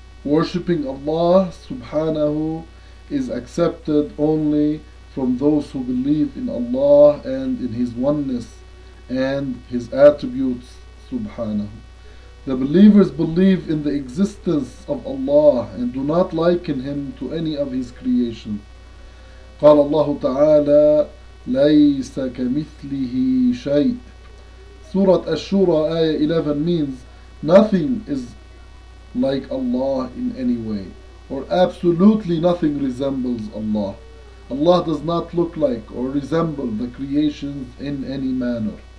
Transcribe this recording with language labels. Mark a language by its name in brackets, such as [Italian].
[English] Worshipping Allah subhanahu is accepted only from those who believe in Allah and in His oneness and His attributes subhanahu. The believers believe in the existence of Allah and do not liken Him to any of His creation. [Arabic] قال الله تعالى ليس كمثله شيء. [English] Surah Ash-Shura ayah 11 means nothing is like Allah in any way, or absolutely nothing resembles Allah. Allah does not look like or resemble the creations in any manner.